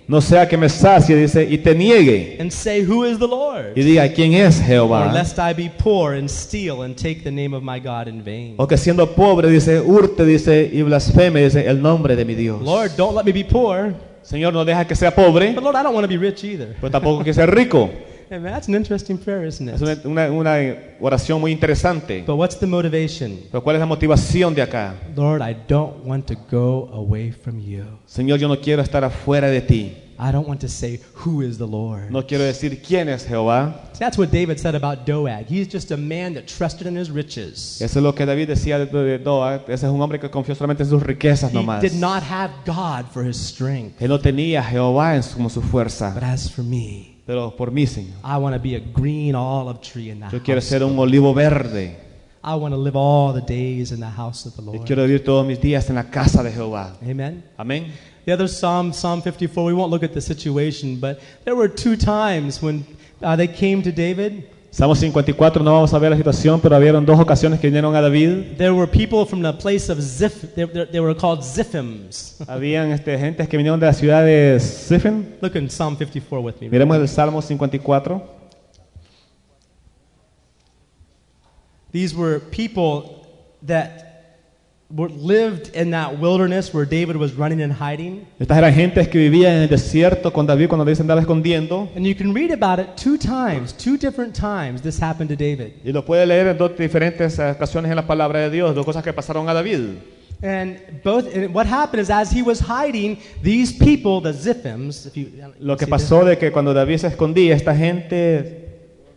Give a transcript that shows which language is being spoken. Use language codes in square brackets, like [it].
[es] No sea que me sacie, dice, y te niegue. [en] And say, who is the Lord? [es] Y diga, ¿quién es Jehová? [en] Or lest I be poor and steal and take the name of my God in vain. [es] O que siendo pobre, dice, hurte, dice, y blasfeme, dice, el nombre de mi Dios. [en] Lord, don't let me be poor. [es] Señor, no deja que sea pobre. [en] But Lord, I don't want to be rich either. [es] Pero tampoco que sea rico. [en] And that's an interesting prayer, isn't it? [es] Es una oración muy interesante. [en] But what's the motivation? [es] Pero ¿cuál es la motivación de acá? [en] Lord, I don't want to go away from you. [es] Señor, yo no quiero estar afuera de ti. [en] I don't want to say, who is the Lord? [es] No quiero decir, ¿quién es Jehová? [en] See, that's what David said about Doeg. He's just a man that trusted in his riches. [es] Eso es lo que David decía de Doeg. Ese es un hombre que confió solamente en sus riquezas nomás. [en] He did not have God for his strength. [es] Él no tenía Jehová como su fuerza. [en] But as for me, [es] pero por mí, Señor, [en] I want to be a green olive tree in the house. [es] Yo quiero ser un olivo verde. [en] I want to live all the days in the house of the Lord. [es] Yo quiero vivir todos mis días en la casa de Jehová. [en] Amen. [es] Amen. [en] The other Psalm, Psalm 54. We won't look at the situation, but there were two times when they came to David. [es] Salmo 54. No vamos a ver la situación, pero habieron dos ocasiones que vinieron a David. [en] There were people from the place of Ziph. They were called Ziphims. [es] Habían gentes que vinieron de la ciudad de Ziphim. [en] Look in Psalm 54 with me. [es] Miremos el Salmo 54. [en] These were people that lived in that wilderness where David was running and hiding. [es] Estas eran gentes que vivían en el desierto con David cuando David se andaba escondiendo. [en] And you can read about it two times, two different times this happened to David. [es] Y lo puede leer en dos diferentes ocasiones en la palabra de Dios, dos cosas que pasaron a David. [en] And both, and what happened is as he was hiding, these people, the Ziphims, if you [es] lo que pasó de que cuando David se escondía, esta gente